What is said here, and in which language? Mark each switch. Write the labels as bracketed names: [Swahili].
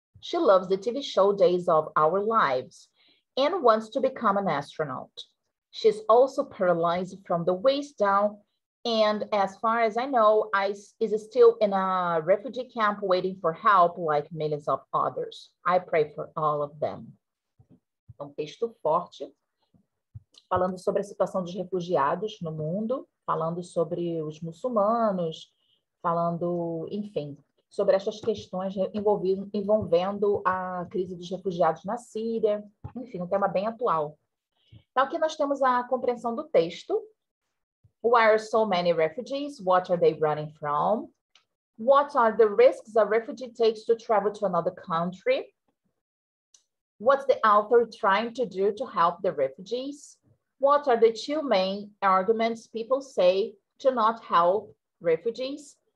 [English] She loves the TV show Days of Our Lives and wants to become an astronaut. She's also paralyzed from the waist down, and as far as I know, is still in a refugee camp waiting for help like millions of others. I pray for all of them. [Portuguese] É um texto forte, falando sobre a situação dos refugiados no mundo, falando sobre os muçulmanos, falando, enfim, sobre essas questões envolvendo a crise dos refugiados na Síria, enfim, um tema bem atual. Então, aqui nós temos a compreensão do texto. [English] Why are so many refugees? What are they running from? What are the risks a refugee takes to travel to another country? What's the author trying to do to help the refugees? What are the two main arguments people say to not help refugees?